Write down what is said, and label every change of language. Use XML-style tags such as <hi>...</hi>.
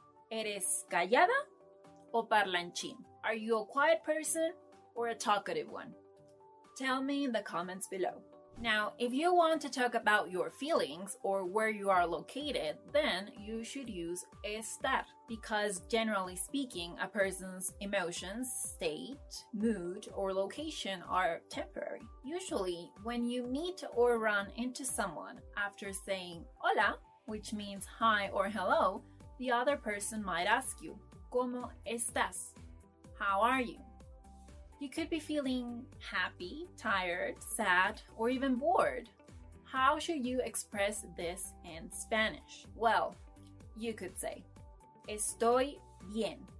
<es>¿Eres callada o parlanchín?</es> <en>Are you a quiet person or a talkative one? Tell me in the comments below. Now, if you want to talk about your feelings or where you are located, then you should use estar, because generally speaking, a person's emotions, state, mood, or location are temporary. Usually, when you meet or run into someone after saying hola, which means hi or hello, the other person might ask you,</en> <es>¿cómo estás?</es> <en>How are you? You could be feeling happy, tired, sad, or even bored. How should you express this in Spanish? Well, you could say,</en> <es>estoy bien.</es>